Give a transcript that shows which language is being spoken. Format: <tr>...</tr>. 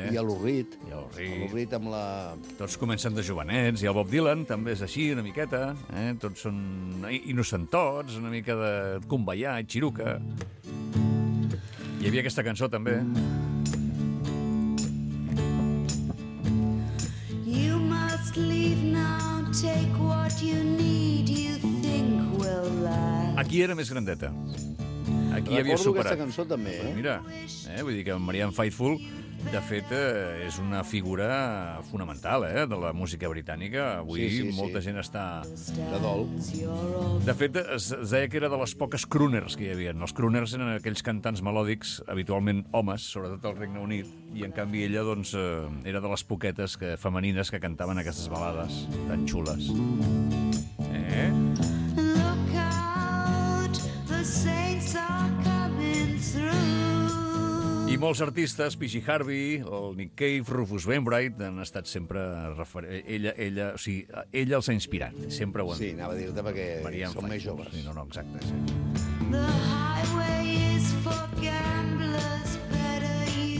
<ca>I l'Urrit. I l'Urrit amb la... Tots comencen de jovenets, i el Bob Dylan també és així, una miqueta, eh? Tots són innocentots, una mica de cumbayà i xiruca. Hi havia aquesta cançó, també.</ca> <en>You must leave now, take what you need, you think will last.</en> <ca>aquí era més grandeta. Aquí havia superat. Recordo aquesta cançó també, eh? Mira, vull dir que Marianne Faithfull, de fet, és una figura fonamental, de la música britànica. Avui molta gent està... De dol. De fet, es deia que era de les poques crooners que hi havia. Els crooners eren aquells cantants melòdics, habitualment homes, sobretot al Regne Unit, i en canvi ella, doncs, era de les poquetes que, femenines que cantaven aquestes balades tan xules.</ca> <en>Look out, the saints are coming through.</en> <ca>I molts artistes, PJ Harvey, el Nick Cave, Rufus Wainwright, han estat sempre referents. Ella els ha inspirat, sempre ho han dit. Sí, anava a dir-te perquè som més joves. Sí, no, exacte. Sí.</ca> <en>The highway is for gamblers, better use.</en>